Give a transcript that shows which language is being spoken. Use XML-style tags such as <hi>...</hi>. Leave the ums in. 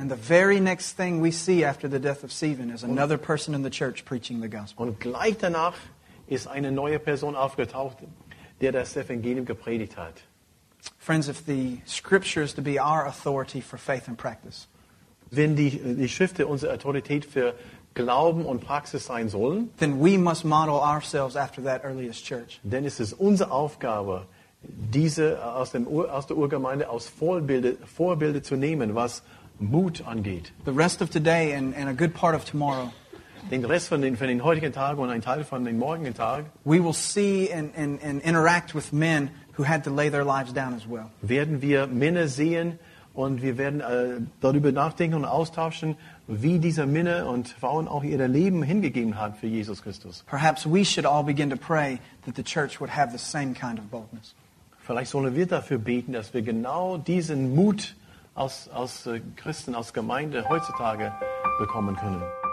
<en>And the very next thing we see Stephen is another und, person in the church the</en> <de>Und gleich danach ist eine neue Person aufgetaucht,</de> <en>Friends, if the Scripture is to be our authority for faith and practice,</en> <de>wenn die, die Schrift unsere Autorität für Glauben und Praxis sein sollen,</de> <en>then we must model ourselves after that earliest church.</en> <de>Denn es ist unsere Aufgabe, diese aus, dem, Ur, aus der Urgemeinde aus Vorbilde, Vorbilde zu nehmen, was Mut angeht.</de> <en>The rest of today and, and a good part of tomorrow.</en> <de>den Rest von den, von den heutigen Tagen und einen Teil von den morgigen Tagen.</de> <en>We will see and, and, and interact with men who had to lay their lives down as well.</en> <de>Werden wir Männer sehen und wir werden äh, darüber nachdenken und austauschen, wie diese Männer und Frauen auch ihr Leben hingegeben haben für Jesus Christus.</de> <en>Perhaps we should all begin to pray that the church would have the same kind of boldness.</en> <de>Vielleicht sollen wir dafür beten, dass wir genau diesen Mut aus, aus äh, Christen, aus Gemeinde heutzutage bekommen können.</de>